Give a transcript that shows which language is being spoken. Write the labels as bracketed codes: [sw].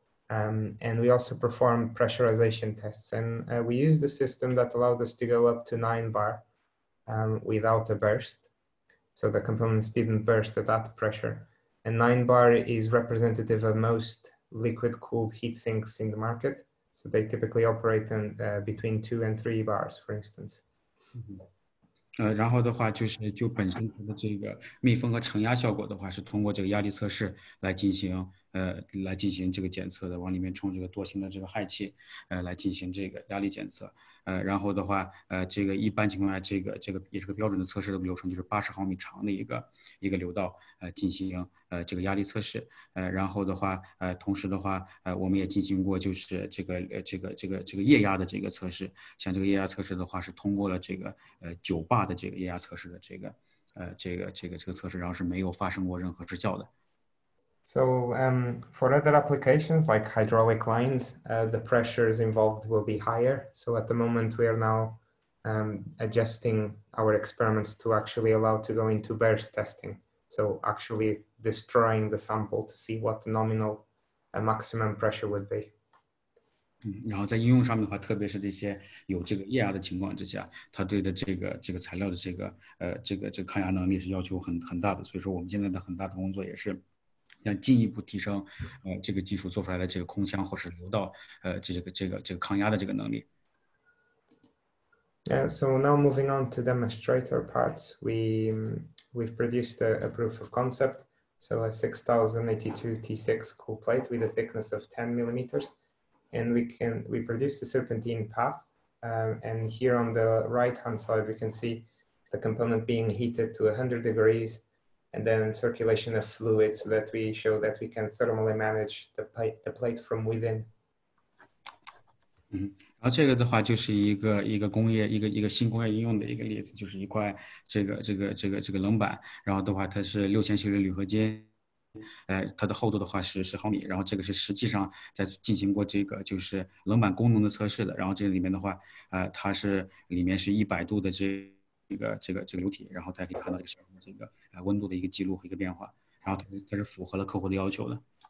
[en] And we also perform pressurization tests, and we use the system that allowed us to go up to 9 bar without a burst. So the components didn't burst at that pressure. And 9 bar is representative of most liquid cooled heat sinks in the market. So they typically operate in between 2 and 3 bars, for instance. Mm-hmm. [zh] 然后的话就本身它的这个密封和承压效果的话，是通过这个压力测试来进行这个检测的，往里面充这个惰性的这个氦气，来进行这个压力检测。然后的话，这个一般情况下，这个也是个标准的测试的流程，就是80毫米长的一个流道，进行这个压力测试。然后的话，同时的话，我们也进行过就是这个液压的这个测试。像这个液压测试的话，是通过了这个9 bar的这个液压测试的这个测试，然后是没有发生过任何失效的。 [en] So for other applications like hydraulic lines, the pressures involved will be higher. So at the moment we are now adjusting our experiments to actually allow to go into burst testing. So actually destroying the sample to see what the nominal maximum pressure would be. [zh] 然后在应用上面的话，特别是这些有这个液压的情况之下，它对的这个材料的这个抗压能力是要求很大的。所以说，我们现在的很大的工作也是要进一步提升，这个技术做出来的这个空腔或是流道，这个抗压的这个能力。 [en] Yeah, so now moving on to demonstrator parts, we've produced a proof of concept. So a 6082 T6 cool plate with a thickness of 10 millimeters. And we produce the serpentine path. And here on the right-hand side, we can see the component being heated to 100 degrees and then circulation of fluid so that we show that we can thermally manage the plate from within. [zh] 然后这个的话就是一个工业一个新工业应用的一个例子，就是一块这个冷板，然后的话它是6000系列铝合金，它的厚度的话是10毫米，然后这个是实际上在进行过这个就是冷板功能的测试的，然后这个里面的话，它是里面是100度的这个流体，然后大家可以看到这个温度的一个记录和一个变化，然后它是符合了客户的要求的。